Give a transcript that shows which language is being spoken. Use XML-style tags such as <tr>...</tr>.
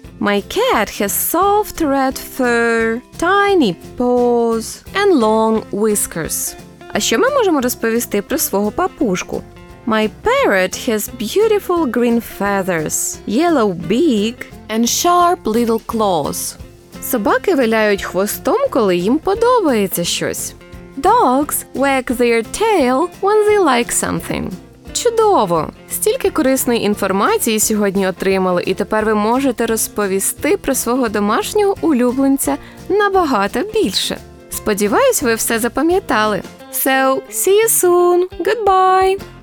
<en>My cat has soft red fur, tiny paws, and long whiskers.</en> <uk>А що ми можемо розповісти про свого папушку?</uk> <en>My parrot has beautiful green feathers, yellow beak, and sharp little claws.</en> <uk>Собаки виляють хвостом, коли їм подобається щось.</uk> <en>Dogs wag their tail when they like something.</en> <uk>Чудово! Стільки корисної інформації сьогодні отримали, і тепер ви можете розповісти про свого домашнього улюбленця набагато більше. Сподіваюсь, ви все запам'ятали.</uk> <en>So, see you soon! Goodbye!</en>